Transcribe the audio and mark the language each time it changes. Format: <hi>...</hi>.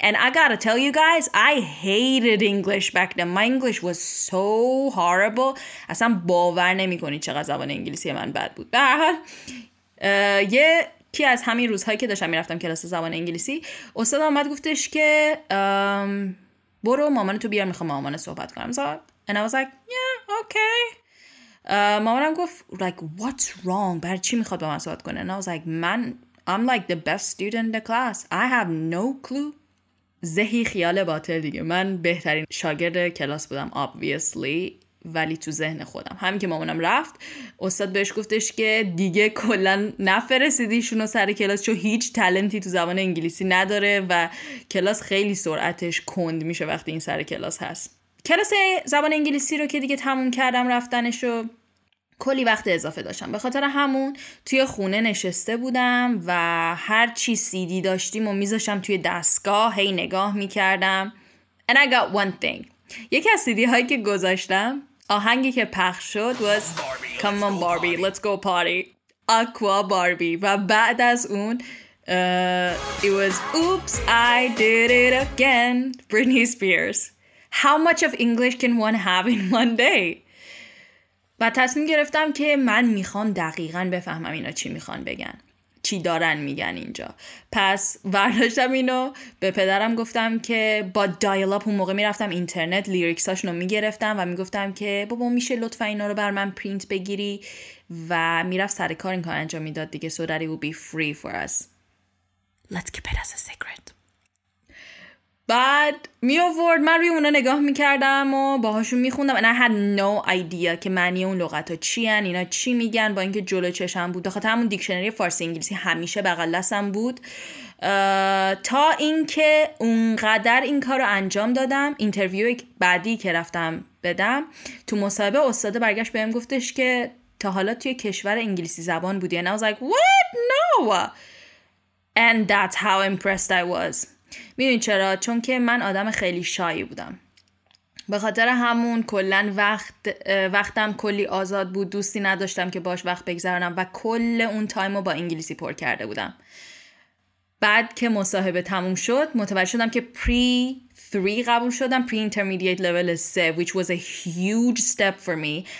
<en>And I gotta tell you guys I hated English back then. My English was so horrible.</en> <fa>اصلا باور نمی کنی چقدر زبان انگلیسی من بد بود. به هر حال یه کی از همین روزهایی که داشتم میرفتم کلاس زبان انگلیسی استاد آمد گفتش که برو مامانتو بیار میخوام مامانه صحبت کنم.</fa> <en>So, and I was like yeah okay.</en> <fa>مامانم گفت</fa> <en>like what's wrong,</en> <fa>برای چی میخواد با من صحبت کنه.</fa> <en>And I was like man I'm like the best student in the class, I have no clue.</en> <fa>زهی خیال باطل دیگه. من بهترین شاگرد کلاس بودم obviously, ولی تو ذهن خودم. همین که مامانم رفت استاد بهش گفتش که دیگه کلن نفرستیدیشون رو سر کلاس چون هیچ تلنتی تو زبان انگلیسی نداره و کلاس خیلی سرعتش کند میشه وقتی این سر کلاس هست. کلاس زبان انگلیسی رو که دیگه تموم کردم رفتنش رو کلی وقت اضافه داشتم. به خاطر همون توی خونه نشسته بودم و هر چی سی دی داشتیم و میذاشم توی دستگاه هی نگاه میکردم.</fa> <en>And I got one thing.</en> <fa>یکی از سیدی هایی که گذاشتم آهنگی که پخش شد</fa> <en>was Come on Barbie, let's go party. Aqua Barbie.</en> <fa>و بعد از اون</fa> <en>It was Oops, I did it again, Britney Spears. How much of English can one have in one day?</en> <fa>و تصمیم گرفتم که من میخوام دقیقا بفهمم اینا چی میخوان بگن، چی دارن میگن اینجا. پس برداشتم اینو به پدرم گفتم که با دایل اپ اون موقع میرفتم اینترنت لیریکساشون رو میگرفتم و میگفتم که بابا میشه لطفا اینا رو بر من پرینت بگیری و میرفت سر کار این کار انجام میداد دیگه.</fa> <en>So that it would be free for us. Let's keep it as a secret.</en> <fa>بعد میآورد من روی اونا نگاه میکردم و باهاشون میخوندم</fa> <en>and I had no idea</en> <fa>که معنی اون لغت ها چی هن، اینا چی میگن. با اینکه جلو چشم بود بخاطر همون دیکشنری فارسی انگلیسی همیشه بغل دستم بود تا اینکه اونقدر این کار رو انجام دادم اینترویو بعدی که رفتم بدم تو مصاحبه استاد برگشت بهم گفتش که تا حالا توی کشور انگلیسی زبان بودی.</fa> <en>And I was like what no and that's how impressed I was.</en> <fa>میدونی چرا؟ چون که من آدم خیلی شایی بودم. به خاطر همون کلن وقتم کلی آزاد بود، دوستی نداشتم که باش وقت بگذرانم و کل اون تایم رو با انگلیسی پر کرده بودم. بعد که مصاحبه تموم شد متوجه شدم که pre-3 قبول شدم، pre-intermediate level 3</fa> <en>which was a huge step for me.</en>